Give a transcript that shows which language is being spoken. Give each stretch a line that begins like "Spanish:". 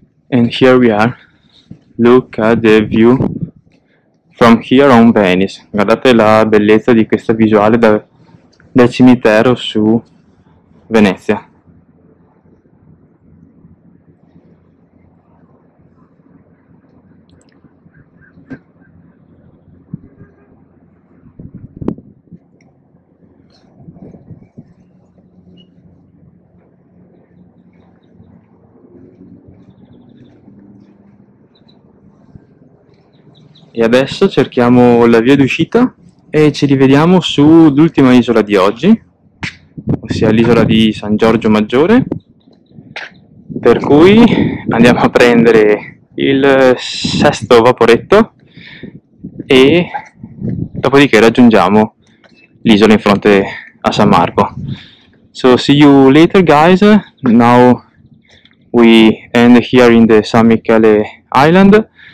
English: And here we are, look at the view from here on Venice.
Italian: Guardate la bellezza di questa visuale dal cimitero su Venezia. E adesso cerchiamo la via d'uscita e ci rivediamo sull'ultima isola di oggi, ossia l'isola di San Giorgio Maggiore, per cui andiamo a prendere il sesto vaporetto e dopodiché raggiungiamo l'isola in fronte a San Marco.
English: So see you later guys, now we end here in the San Michele Island.